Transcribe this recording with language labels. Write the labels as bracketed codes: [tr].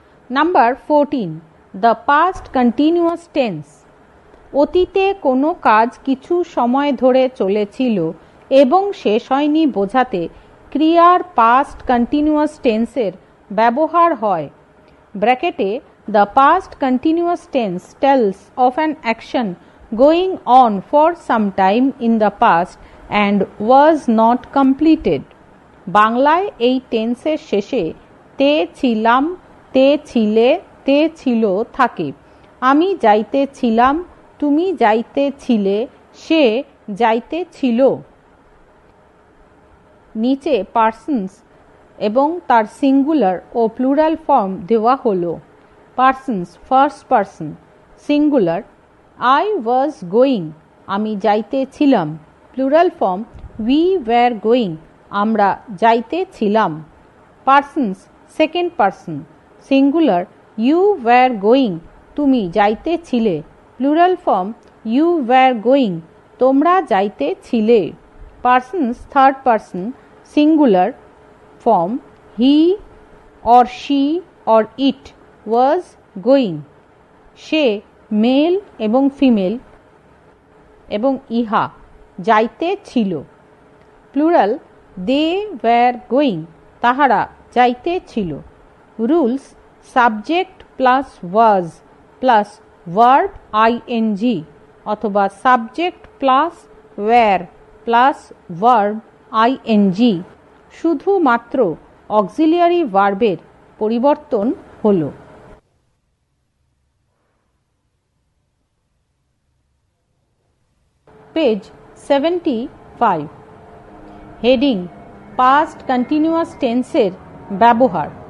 [en] Number 14. The past continuous tense. [bn] Otite kono kaj kichu shomoy dhore chole chilo ebong shesh hoyni bojhate ক্রিয়ার past continuous টেন্সের ব্যবহার হয়। [en] ব্র্যাকেটে the past continuous tense tells of an action going on for some time in the past and was not completed. [bn] বাংলায় এই টেন্সের শেষে তে ছিলাম, তে ছিলে, তে ছিল থাকে। আমি যাইতে ছিলাম, তুমি যাইতে ছিলে, সে যাইতে ছিল। নিচে পার্সন্স এবং তার সিঙ্গুলার ও প্লুরাল ফর্ম দেওয়া হলো। [en] persons first person singular, I was going [bn] আমি যাইতেছিলাম, [en] plural form we were going [bn] আমরা যাইতেছিলাম। [en] persons second person singular, you were going [bn] তুমি যাইতেছিলে, [en] plural form you were going [bn] তোমরা যাইতেছিলে। [en] Persons, third person, singular form, he or she or it was going. [bn] She, male ebong female, ebong iha, jaite chilo. [en] Plural, they were going, [bn] tahara, jaite chilo. [en] Rules, subject plus was plus verb ing, [bn] athoba [en] subject plus were. Plus verb ING [bn] শুধুমাত্র auxiliary ভার্বের পরিবর্তন হল। Page 75 heading past continuous টেন্সের ব্যবহার।